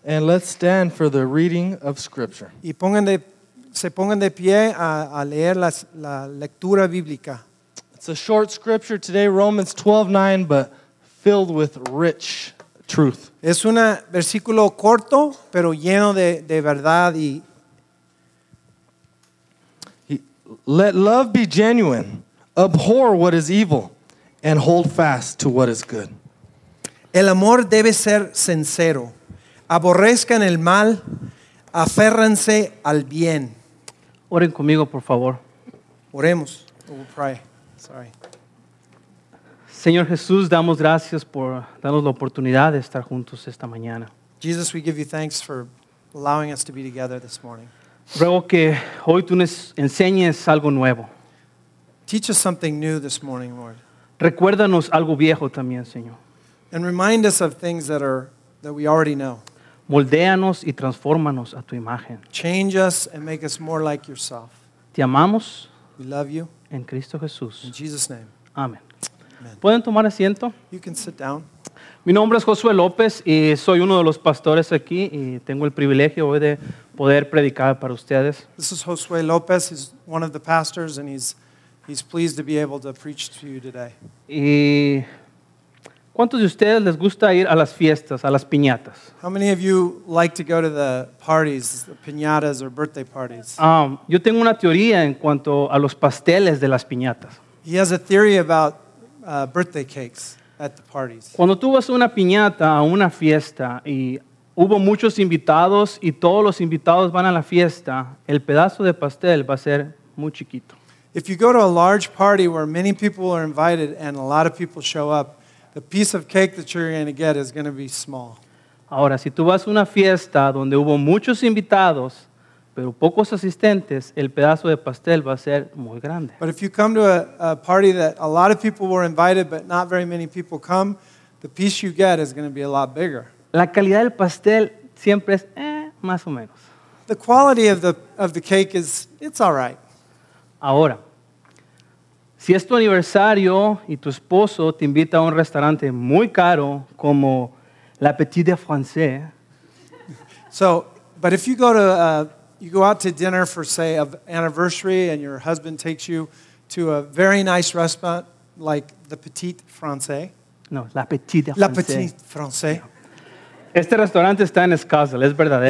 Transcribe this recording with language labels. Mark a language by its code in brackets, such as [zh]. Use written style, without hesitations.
[en] And let's stand for the reading of Scripture. [es] Y se pongan de pie a leer la lectura bíblica. [en] It's a short scripture today, Romans 12:9, but filled with rich truth. [es] Es un versículo corto, pero lleno de verdad y. [en] Let love be genuine. Abhor what is evil, and hold fast to what is good. [es] El amor debe ser sincero. Aborrezcan el mal, aférranse al bien. Oren conmigo, por favor. Oremos. [en] We'll pray. Sorry. [es] Señor Jesús, damos gracias por darnos la oportunidad de estar juntos esta mañana. [en] Jesus, we give you thanks for allowing us to be together this morning. [es] Ruego que hoy tú nos enseñes algo nuevo. [en] Teach us something new this morning, Lord. [es] Recuérdanos algo viejo también, Señor. [en] And remind us of things that we already know. [es] Moldéanos y transfórmanos a tu imagen. [en] Change us and make us more like yourself. [es] Te amamos. [en] We love you. [es] En Cristo Jesús. [en] In Jesus' name. [es] Amén. ¿Pueden tomar asiento? [en] You can sit down. [es] Mi nombre es Josue López y soy uno de los pastores aquí y tengo el privilegio hoy de poder predicar para ustedes. [en] This is Josue Lopez. He's one of the pastors and he's pleased to be able to preach to you today. [es] ¿Y cuántos de ustedes les gusta ir a las fiestas, a las piñatas? [en] How many of you like to go to the parties, the piñatas or birthday parties? [es] Yo tengo una teoría en cuanto a los pasteles de las piñatas. [en] He has a theory about birthday cakes. At the parties. [es] Cuando tú vas a una piñata, a una fiesta, y hubo muchos invitados, y todos los invitados van a la fiesta, el pedazo de pastel va a ser muy chiquito. [en] If you go to a large party where many people are invited and a lot of people show up, the piece of cake that you're going to get is going to be small. [es] Ahora, si tú vas a una fiesta donde hubo muchos invitados, pero pocos asistentes, el pedazo de pastel va a ser muy grande. [en] But if you come to a party that a lot of people were invited, but not very many people come, the piece you get is going to be a lot bigger. [es] La calidad del pastel siempre es más o menos. [en] The quality of the cake is, it's all right. [es] Ahora, si es tu aniversario y tu esposo te invita a un restaurante muy caro como l'Appetit de France. [en] So, but if you go to you go out to dinner for, say, an anniversary, and your husband takes you to a very nice restaurant like the Petit Français. No, La Petite Française. La Petite Française. [es] Este restaurante está en Scottsdale, es verdadero.